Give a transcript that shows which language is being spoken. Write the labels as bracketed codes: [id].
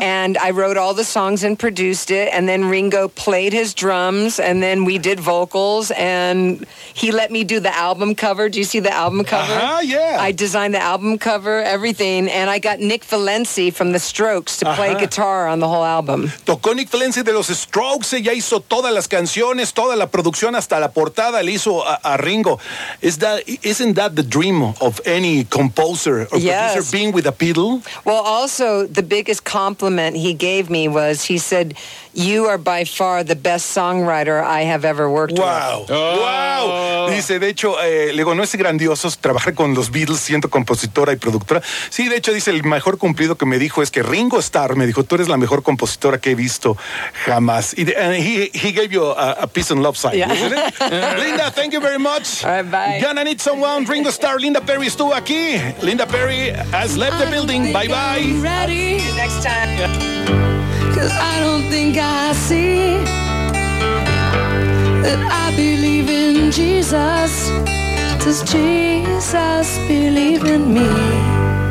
[en] And I wrote all the songs and produced it. And then Ringo played his drums. And then we did vocals. And he let me do the album cover. Do you see the album cover? Uh-huh, yeah. I designed the album cover, everything. And I got Nick Valenzi from The Strokes to uh-huh. play guitar on the whole album. [es] Tocó Nick Valenzi de Los Strokes. Ella hizo todas las canciones, toda la producción, hasta la portada le hizo a Ringo. [en] Isn't that the dream of any composer or yes. producer being with a Beatle? Well, also, the biggest compliment he gave me was, he said, you are by far the best songwriter I have ever worked wow. with. Wow. Wow. [es] Dice, de hecho, le digo, ¿no es grandioso trabajar con los Beatles siendo compositora y productora? Sí, de hecho, dice, el mejor cumplido que me dijo es que Ringo Starr me dijo, tú eres la mejor compositora que he visto jamás. [en] Y he gave you a peace and love sign, yeah. isn't it? Linda, thank you very much. All right, bye. Gonna need someone. Ringo Starr, Linda Perry [es] estuvo aquí. [en] Linda Perry has left the building. Bye bye. Ready. Next time. Yeah. Cause I don't think I see that I believe in Jesus. Does Jesus believe in me?